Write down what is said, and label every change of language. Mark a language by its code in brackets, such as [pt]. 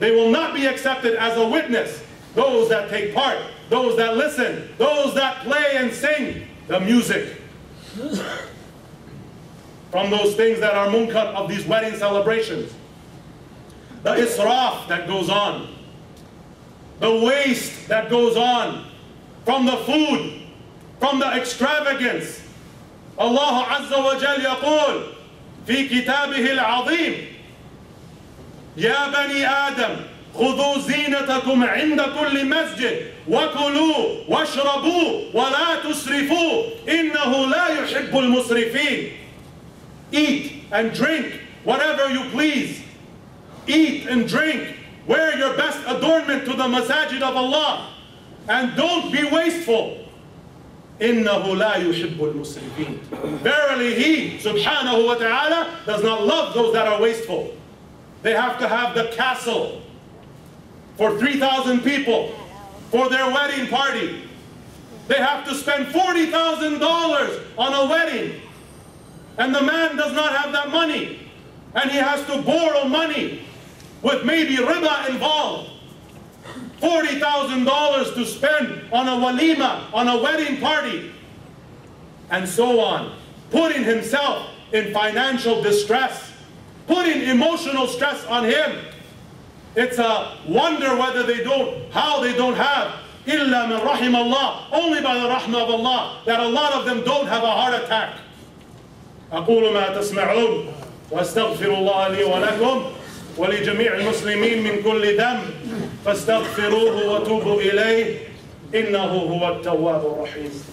[en] They will not be accepted as a witness. Those that take part, those that listen, those that play and sing the music from those things that are munkar of these wedding celebrations. The israf that goes on. The waste that goes on from the food, from the extravagance. [ar] Allah Azza wa Jal yaqul fi kitabihi al-azim, Ya Bani Adam, خذوا زينتكم عند كل مسجد وكلوا واشربوا ولا تسرفوا إنه لا يحب المسرفين. [en] eat and drink whatever you please. Eat and drink. Wear your best adornment to the masajid of Allah. And don't be wasteful. [ar] إِنَّهُ لَا يُحِبُّ الْمُسْرِفِينَ. [en] Verily He, subhanahu wa ta'ala, does not love those that are wasteful. They have to have the castle for 3,000 people for their wedding party. They have to spend $40,000 on a wedding. And the man does not have that money. And he has to borrow money with maybe riba involved. $40,000 to spend on a walima, on a wedding party, and so on. Putting himself in financial distress, putting emotional stress on him. It's a wonder whether they don't, how they don't have, [ar] illa min rahim Allah, [en] only by the rahmah of Allah, that a lot of them don't have a heart attack. [ar] أقول ما تسمعون وأستغفر الله لي ولكم ولجميع المسلمين من كل ذنب فاستغفروه وتوبوا إليه إنه هو التواب الرحيم.